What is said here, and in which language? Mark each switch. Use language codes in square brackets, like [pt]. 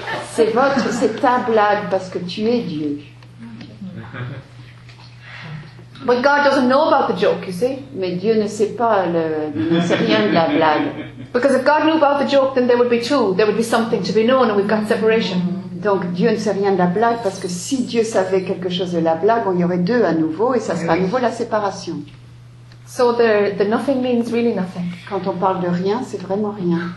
[fr] C'est ta blague parce que tu es Dieu. [en] But God doesn't know about the joke, you see. [fr] Mais Dieu ne sait pas ne sait rien de la blague. [en] Because if God knew about the joke, then there would be two. There would be something to be known, and we've got separation. [fr] Donc Dieu ne sait rien de la blague parce que si Dieu savait quelque chose de la blague, on y aurait deux à nouveau et ça serait à nouveau la séparation. [en] So the nothing means really nothing. [fr] Quand on parle de rien, c'est vraiment rien.